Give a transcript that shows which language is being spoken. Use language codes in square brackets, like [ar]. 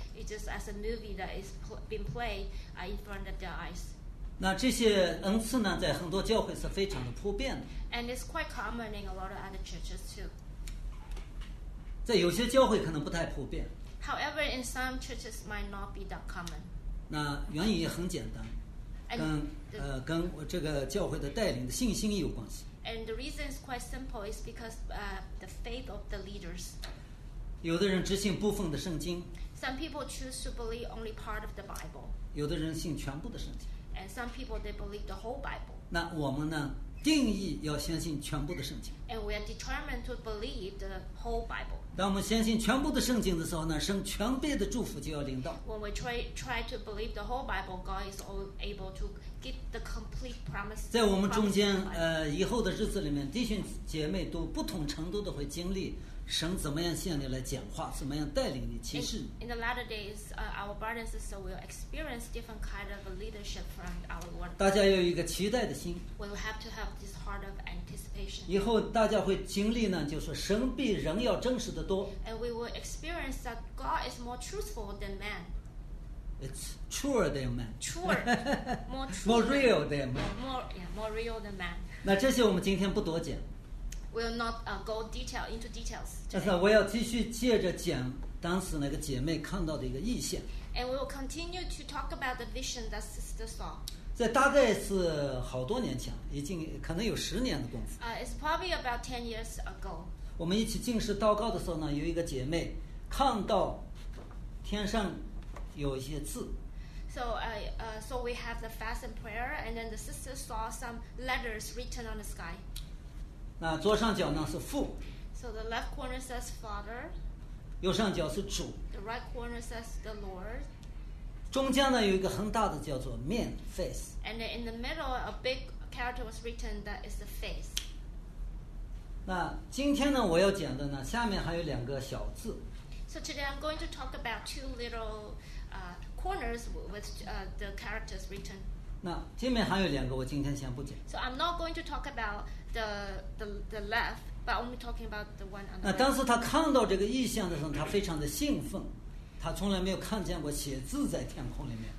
[en] It's just as a movie that is being played in front of their eyes. [zh] 那这些恩赐呢，在很多教会是非常的普遍的。 [en] And it's quite common in a lot of other churches too. [zh] 在有些教会可能不太普遍。 [en] However, in some churches, might not be that common. [zh] 那原因也很简单，跟我这个教会的带领的信心有关系。 [en] And the reason is quite simple, is because the faith of the leaders. [zh] 有的人只信部分的圣经。 [en] Some people choose to believe only part of the Bible. [zh] 有的人信全部的圣经。 [en] And some people they believe the whole Bible. [zh] 那我们呢，定义要相信全部的圣经。 [en] And we are determined to believe the whole Bible. [zh] 当我们相信全部的圣经的时候呢，神全备的祝福就要临到。 [en] When we try to believe the whole Bible, God is all able to get the complete promise. [zh] 在我们中间，以后的日子里面，弟兄姐妹都不同程度的会经历神怎么样向你来讲话，怎么样带领你、启示你。 [en] In the latter days, our brothers and sisters will experience different kind of leadership from our Lord. [zh] 大家有一个期待的心。 [en] We will have to have this heart of anticipation. [zh] 以后大家会经历呢，就是神比人要真实的多。 [en] And we will experience that God is more truthful than man. It's truer than man. Truer, more true. More real than man. More real than man. [zh] 那这些我们今天不多讲。 [en] Will not go detail into details. [zh] 但是我要继续接着讲当时那个姐妹看到的一个异象。 [en] And we will continue to talk about the vision that sister saw. [zh] 在大概是好多年前，已经可能有十年的功夫。 [en] It's probably about 10 years ago. [zh] 我们一起进食祷告的时候呢，有一个姐妹看到天上有一些字。 [en] So we have the fast and prayer, and then the sister saw some letters written on the sky. [zh] 那左上角呢是父。 [en] So the left corner says Father. [zh] 右上角是主。 [en] The right corner says the Lord. [zh] 中间呢有一个很大的叫做面 face. [en] And in the middle, a big character was written that is the face. [zh] 那今天呢我要讲的呢，下面还有两个小字。 [en] So today I'm going to talk about two little corners with the characters written. [zh] 那前面还有两个，我今天先不讲。 [en] So I'm not going to talk about the left, but only talking about the one on the left. [zh] 当时他看到这个异象的时候，他非常的兴奋，他从来没有看见过写字在天空里面。